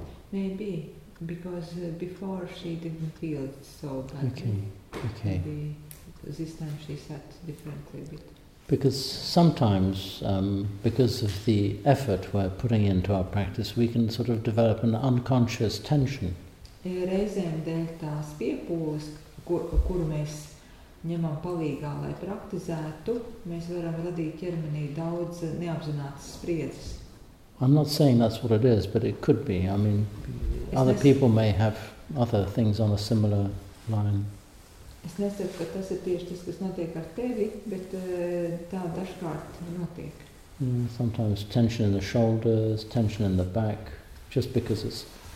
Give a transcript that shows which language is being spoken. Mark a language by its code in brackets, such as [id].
[en] Maybe, because before she didn't feel it so badly. Okay. Maybe this time she sat differently a bit. Because sometimes, because of the effort we're putting into our practice, we can sort of develop an unconscious tension. [lv] Reizēm dēļ tās piepūles, kuru mēs ņemam palīgā, lai praktizētu, mēs varam radīt ķermenī daudz neapzinātas spriedzes. [en] I'm not saying that's what it is, but it could be. I mean, other people may have other things on a similar line. [lv] Es nesaku, ka tas ir tieši tas, kas notiek ar tevi, bet tā dažkārt notiek. [en] Sometimes tension in the shoulders, tension in the back, just because it's...